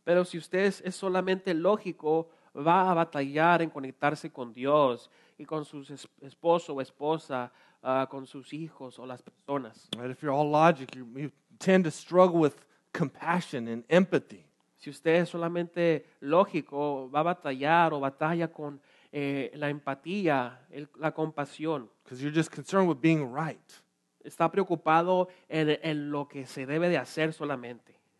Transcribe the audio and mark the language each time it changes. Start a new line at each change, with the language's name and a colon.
Spanish: Pero si usted es solamente lógico, va a batallar en conectarse con Dios y con su esposo o esposa, con sus hijos o las personas.
English: Right, if you're all logic, you tend to struggle with compassion and empathy.
Spanish: Si usted es solamente lógico, va a batallar o batalla con la empatía, la compasión.
English: Because you're just concerned with being right.
Spanish: Está preocupado en lo que se debe de hacer solamente.